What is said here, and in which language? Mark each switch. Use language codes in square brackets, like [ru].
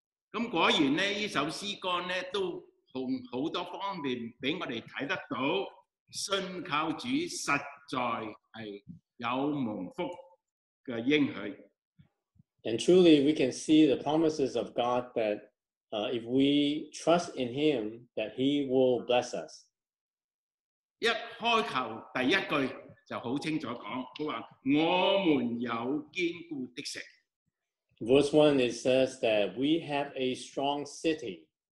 [yue] 咁果然呢,呢首詩歌呢都從好多方面俾我哋睇得到,信靠主實在係有蒙福嘅應許。 [en] And truly, we can see the promises of God that if we trust in Him, that He will bless us. [yue] 一開球第一句就好清楚講，佢話：我們有堅固的城。 [en] Verse 1, it says that we have a strong city.